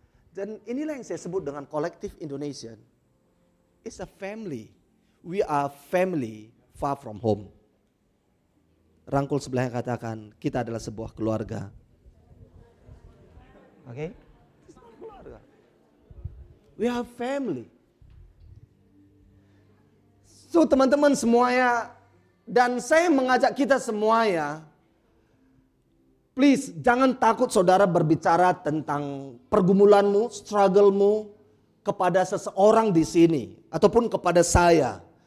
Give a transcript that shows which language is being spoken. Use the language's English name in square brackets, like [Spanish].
[Indonesian] Dan inilah yang saya sebut dengan collective Indonesian. [English] It's a family. We are family far from home. [Indonesian] Rangkul sebelah yang katakan, kita adalah sebuah keluarga. Oke? [English] We are family. [Indonesian] So teman-teman semuanya, dan saya mengajak kita semuanya, please, jangan takut saudara berbicara tentang pergumulanmu, struggle-mu kepada seseorang di sini ataupun kepada saya.